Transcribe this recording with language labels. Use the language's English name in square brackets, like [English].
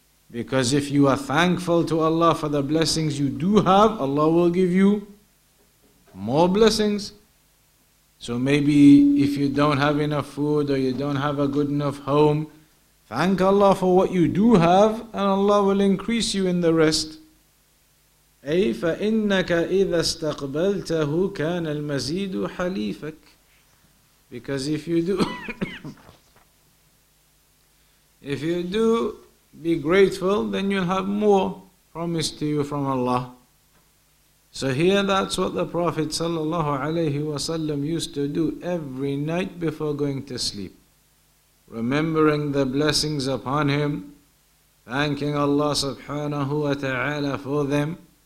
[English] Because if you are thankful to Allah for the blessings you do have, Allah will give you more blessings. So maybe if you don't have enough food or you don't have a good enough home, thank Allah for what you do have and Allah will increase you in the rest. [Arabic] أي فإنك إذا استقبلته كان المزيد حليفك. [English] Because if you do if you do be grateful, then you'll have more promised to you from Allah. So here, that's what the Prophet sallallahu alayhi wasallam used to do every night before going to sleep, remembering the blessings upon him, thanking Allah subhanahu wa ta'ala for them.